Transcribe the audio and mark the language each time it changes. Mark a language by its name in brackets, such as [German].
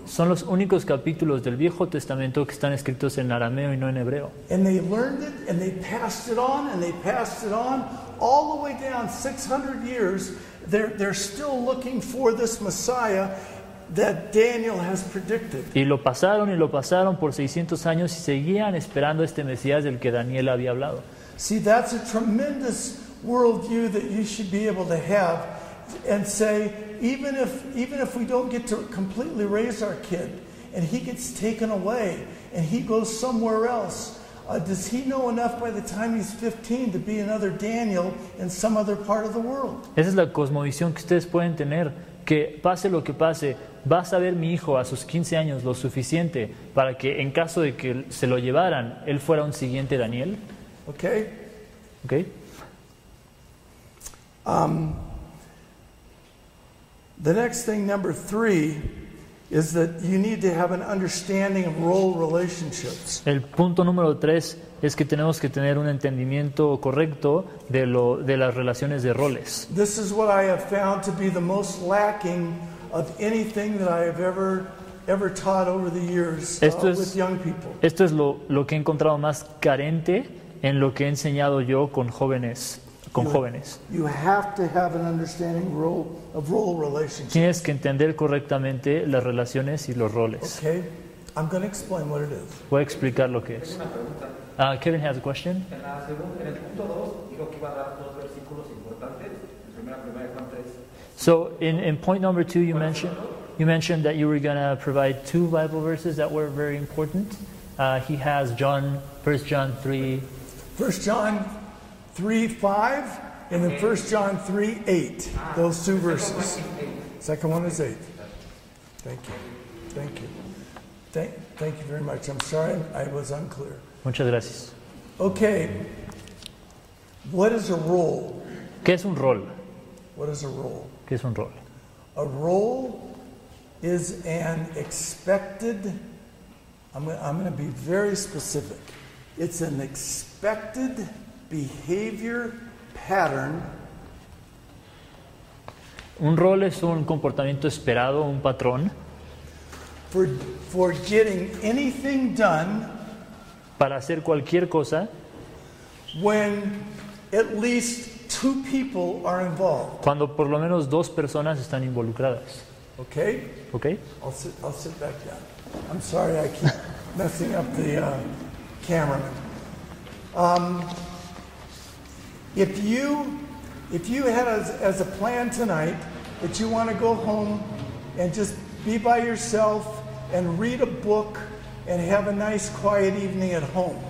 [Spanish] Son los únicos capítulos del Viejo Testamento que están escritos en arameo y no en hebreo. [English] And they learned it, and they passed it on, and they passed it on all the way down 600 years. They're still looking for this Messiah that Daniel has predicted. [Spanish] Y lo pasaron y lo pasaron por 600 años y seguían esperando este Mesías del que Daniel había hablado. [English] See, that's a tremendous worldview that you should be able to have and say, even if we don't get to completely raise our kid and he gets taken away and he goes somewhere else, does he know enough by the time he's 15 to be another Daniel in some other part of the world? [Spanish] Esa es la cosmovisión que ustedes pueden tener, que pase lo que pase, va a saber mi hijo a sus 15 años lo suficiente para que en caso de que se lo llevaran, él fuera un siguiente Daniel. [English] Okay. The next thing, number three, is that you need to have an understanding of role relationships. [Spanish] El punto número tres es que tenemos que tener un entendimiento correcto de las relaciones de roles. [English] This is what I have found to be the most lacking of anything that I have ever taught over the years with young people. [Spanish] Esto es lo que he encontrado más carente en lo que he enseñado yo con jóvenes. [English] You have to have an understanding of role relationships. [Spanish] Tienes que entender correctamente las relaciones y los roles. [English] Okay, I'm going to explain what it is. [Spanish] Voy a explicar lo que es. [English] Kevin has a question. [Spanish] En la segunda, en el punto 2, dijo que iba a dar dos versículos importantes. Primera Juan 3. [English] So in point number 2, you mentioned that you were going to provide two Bible verses that were very important. He has John, 1 John 3:5 and then 1 John 3:8, those two verses. Second one is 8. Thank you. Thank you very much. I'm sorry I was unclear. [Spanish] Muchas gracias. [English] Okay. What is a role? [Spanish] ¿Qué es un rol? [English] What is a role? [Spanish] ¿Qué es un rol? [English] A role is an expected. I'm going to be very specific. It's an expected behavior pattern [Spanish] Un rol es un comportamiento esperado, un patrón. [English] For getting anything done, [Spanish] para hacer cualquier cosa, [English] when at least two people are involved. [Spanish] Cuando por lo menos dos personas están involucradas. [English] Okay. Okay. I'll sit back down. I'm sorry, I keep messing up the camera. If you had as a plan tonight that you want to go home and just be by yourself and read a book and have a nice quiet evening at home.